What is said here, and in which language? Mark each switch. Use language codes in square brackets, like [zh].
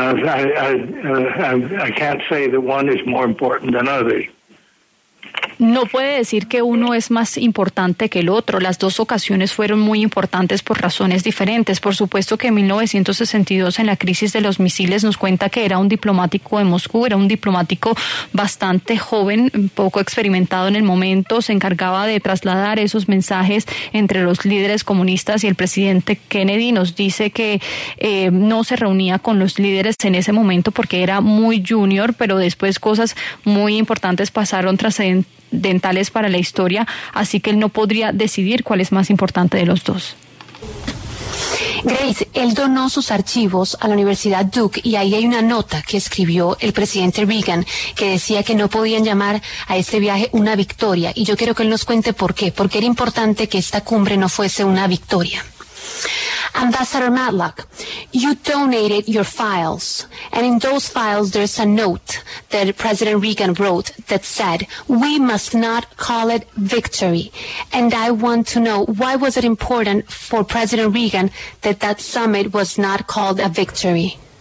[en] I can't say that one is more important than others. [es] No puede decir que uno es más importante que el otro. Las dos ocasiones fueron muy importantes por razones diferentes. Por supuesto que en 1962, en la crisis de los misiles, nos cuenta que era un diplomático de Moscú, era un diplomático bastante joven, poco experimentado en el momento. Se encargaba de trasladar esos mensajes entre los líderes comunistas y el presidente Kennedy. Nos dice que no se reunía con los líderes en ese momento porque era muy junior, pero después cosas muy importantes pasaron trascendentales para la historia, así que él no podría decidir cuál es más importante de los dos. Grace, él donó sus archivos a la Universidad Duke y ahí hay una nota que escribió el presidente Reagan que decía que no podían llamar a este viaje una victoria, y yo quiero que él nos cuente por qué, porque era importante que esta cumbre no fuese una victoria. [en] Ambassador Matlock, you donated your files, and in those files there's a note that President Reagan wrote that said, we must not call it victory. And I want to know, why was it important for President Reagan that that summit was not called a victory?